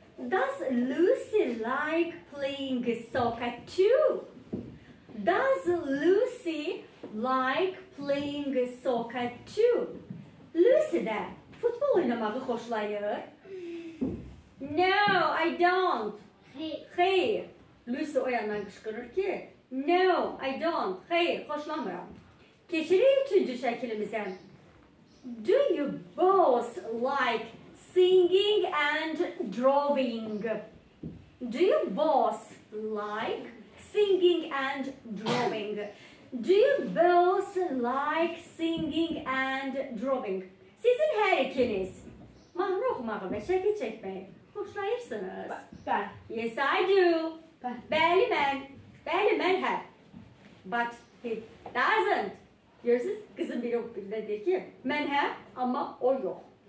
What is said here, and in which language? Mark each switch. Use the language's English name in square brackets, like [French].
[English] Does Lucy like playing soccer too? Does Lucy like playing soccer too? [Azerbaijani] Lucy de futbol oynamağı xoşlayır. [English] No, I don't. [Azerbaijani] Xeyr. Lucy o yandan qışqırır ki, [English] no, I don't. [Azerbaijani] Xeyr, xoşlamıram. Keçirik üçüncü şəkilimizə. [English] Do you both like singing and drawing? Do you both like singing and drawing? Do you both like singing and drawing? [Azerbaijani] Sizin hər ikiniz mahnı oxumağı və şəkil çəkməyi xoşlayırsınız. Bəli. [English] Yes, I do. [Azerbaijani] Bəli, mən. Bəli, mən hə. [English] But he doesn't. [Azerbaijani] Görürsünüz, qızın biri o birinə deyir ki, mən hə, amma o yox.